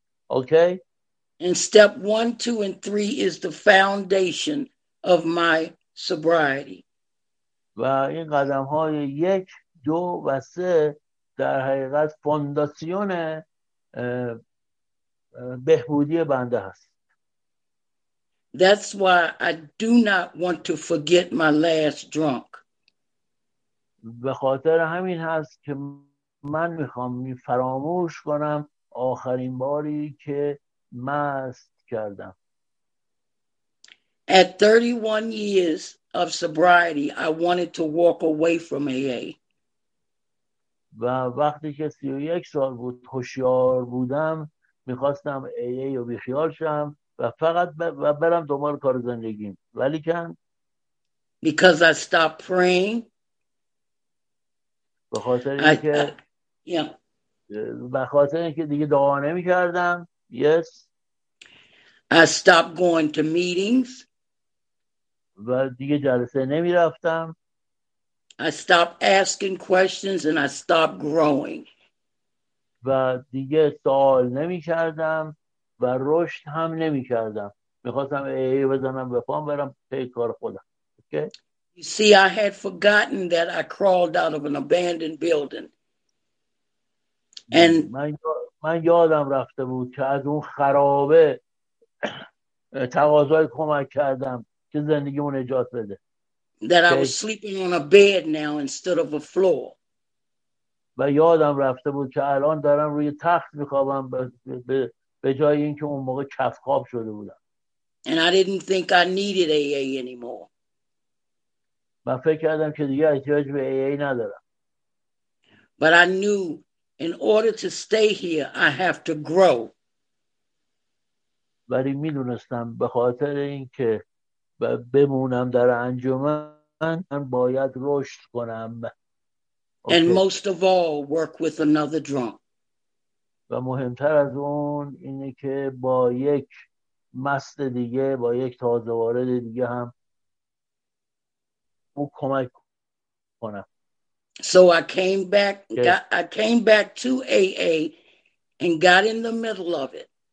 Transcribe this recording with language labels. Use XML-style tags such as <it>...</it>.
<en>Okay? And step one, two, and three is the foundation of my sobriety.</en> <fa>و این قدم های یک، دو و سه در حقیقت فونداسیون بهبودی بنده هست.</fa> <en>That's why I do not want to forget my last drunk.</en> <fa>به خاطر همین هست که من میخوام فراموش کنم آخرین باری که مست کردم.</fa> <en>At 31 years of sobriety, I wanted to walk away from AA.</en> <fa>و وقتی که 31 سال بود هوشیار بودم میخواستم AA رو بیخیال شم و فقط و برم دنبال کار زندگیم. ولی کن</fa> <en>Because I stopped praying.</en> <fa>به خاطر اینکه به خاطر اینکه دیگه دعا نمی کردم.</fa> <en>Yes. I stopped going to meetings.</en> <fa>و دیگه جلسه نمی رفتم.</fa> <en>I stopped asking questions and I stopped growing.</en> <fa>و دیگه سوال نمی کردم و رشد هم نمی کردم. می خواستم ای بزنم به پام برم پی کار خودم.</fa> <en>Okay. You see, I had forgotten that I crawled out of an abandoned building. And</en> <fa>من یادم رفته بود که از اون خرابه تقاضای کمک کردم که زندگیمو نجات بده.</fa> <en>That I was sleeping on a bed now instead of a floor.</en> <fa>و یادم رفته بود که الان دارم روی تخت میخوابم به جای اینکه اون موقع کفخواب شده بودم.</fa> <en>And I didn't think I needed AA anymore.</en> <fa>من فکر کردم که دیگه احتیاج به AA ندارم.</fa> <en>But I knew in order to stay here, I have to grow.</en> <fa>ولی میدونستم به خاطر اینکه بمونم در انجمن من باید رشد کنم.</fa> <en>Okay. And most of all, work with another drunk.</en> <fa>و مهمتر از اون اینه که با یک مست دیگه، با یک تازه وارد دیگه هم او کمک کنم.</fa> <en>So I came back to AA and got in the middle of it.</en>